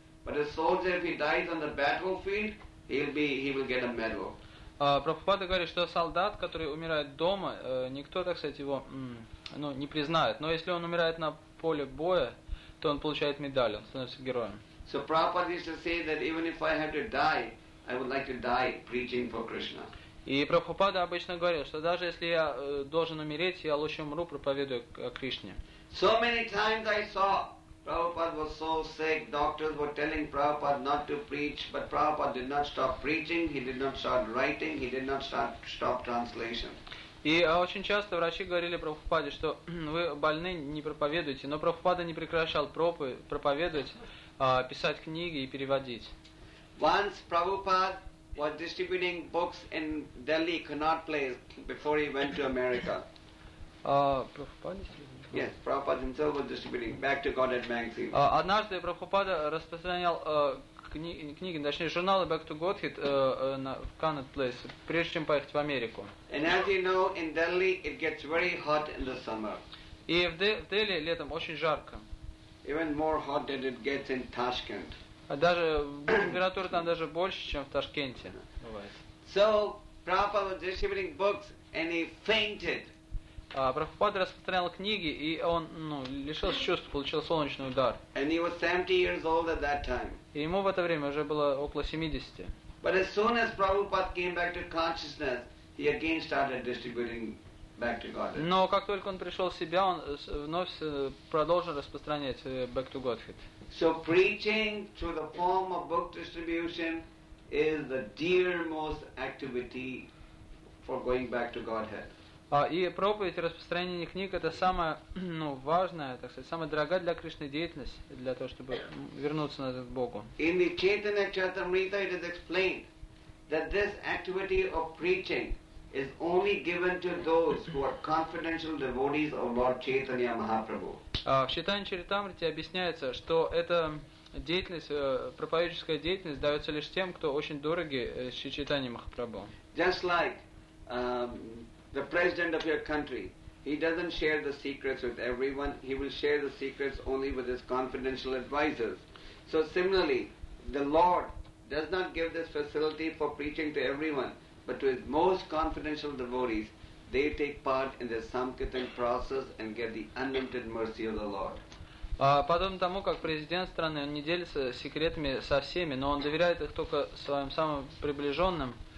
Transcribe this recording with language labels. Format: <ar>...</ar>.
<en>But a soldier if he dies on the battlefield, he will get a medal.</en> <ru>Прабхупада говорит, что солдат, который умирает дома, никто, так сказать, его не признает. Но если он умирает на поле боя, то он получает медаль, он становится героем.</ru> <en>So Prabhupada used to say that even if I have to die, I would like to die preaching for Krishna.</en> <ru>И Прабхупада обычно говорил, что даже если я должен умереть, я лучше умру, проповедуя о Кришне.</ru> <en>So many times I saw Prabhupada was so sick, doctors were telling Prabhupada not to preach, but Prabhupada did not stop preaching, he did not start writing, he did not stop translation.</en> <ru>И очень часто врачи говорили Прабхупаде, что вы больны, не проповедуйте, но Прабхупада не прекращал проповедовать, писать книги и переводить.</ru> <en>Once Prabhupada was distributing books in Delhi, Connaught Place, before he went to America.</en> <ru>Прабхупада?</ru> <en>Yes, Prabhupada himself was distributing back to Godhead magazine.</en> <ru>Однажды Прабхупада распространял книги, точнее журналы Back to Godhead в Connaught Place, прежде чем поехать в Америку.</ru> <en>And as you know, in Delhi it gets very hot in the summer.</en> <ru>И в Дели летом очень жарко.</ru> <en>Even more hot than it gets in Tashkent.</en> <ru>А даже температура там даже больше, чем в Ташкенте.</ru> <en>So Prabhupada was distributing books and he fainted.</en> <ru>Прабхупада распространял книги, и он лишился чувств, получил солнечный удар.</ru> <en>And he was 70 years old at that time.</en> <ru>И ему в это время уже было около 70.</ru> <en>But as soon as Prabhupada came back to consciousness, he again started distributing back to Godhead.</en> <ru>Но как только он пришел в себя, он вновь продолжил распространять back to Godhead.</ru> <en>So preaching through the form of book distribution is the dearmost activity for going back to Godhead.</en> <ru>И проповедь и распространение книг – это самая, ну, важная, так сказать, самая дорогая для Кришны деятельность, для того, чтобы вернуться назад к Богу.</ru> <en>In the Chaitanya Charitamrita it is explained that this activity of preaching is only given to those who are confidential devotees of Lord Chaitanya Mahaprabhu.</en> <ru>В Чайтанья Чаритамрите объясняется, что эта деятельность, проповедческая деятельность, дается лишь тем, кто очень дороги Шри Чайтанья Махапрабху.</ru> <en>Just like the president of your country, he doesn't share the secrets with everyone. He will share the secrets only with his confidential advisors. So similarly, the Lord does not give this facility for preaching to everyone, but to his most confidential devotees. They take part in the samkirtan process and get the unlimited mercy of the Lord.</en> <ru>Подобно тому, как президент страны, он не делится секретами со всеми, но он доверяет их только своим самым приближенным.</ru>